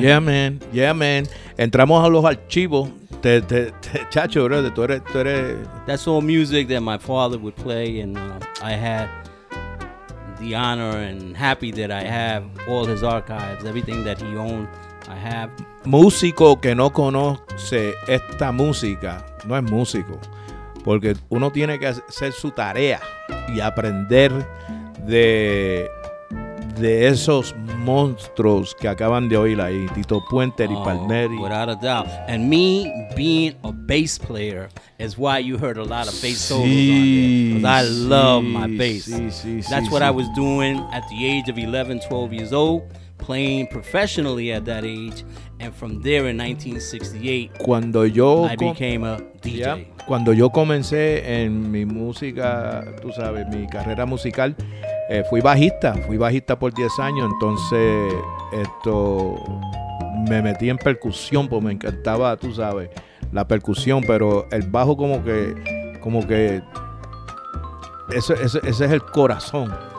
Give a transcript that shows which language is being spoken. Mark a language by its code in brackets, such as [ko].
[en] Yeah, man. Yeah, man. [es] Entramos a los archivos. Chacho, brother. Tú eres. [en] That's all music that my father would play, and I had the honor and happy that I have all his archives, everything that he owned, I have. [es] Músico que no conoce esta música no es músico, porque uno tiene que hacer su tarea y aprender de esos monstruos que acaban de oír ahí, Tito Puente y Palmieri. [en] Without a doubt. And me being a bass player is why you heard a lot of bass solos on there. Because I love my bass. That's what I was doing at the age of 11, 12 years old, playing professionally at that age. And from there in 1968, [es] cuando yo [en] became a DJ. Yeah. [es] Cuando yo comencé en mi música, tú sabes, mi carrera musical, fui bajista por 10 años, entonces esto me metí en percusión porque me encantaba, tú sabes, la percusión, pero el bajo como que ese es el corazón.